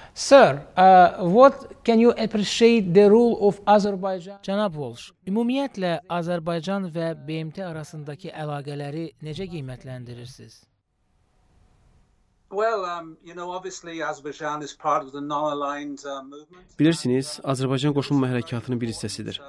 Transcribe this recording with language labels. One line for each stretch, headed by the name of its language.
English: Sir, what can you appreciate the role of Azerbaijan?
Azerbaijani: Cənab Walsh, ümumiyyətlə Azərbaycan və BMT arasındakı əlaqələri necə qiymətləndirirsiniz?
English: Well, you know, obviously Azerbaijan is part of the non-aligned movement.
Azerbaijani: Bilirsiniz, Azərbaycan qoşulma hərəkatının bir hissəsidir.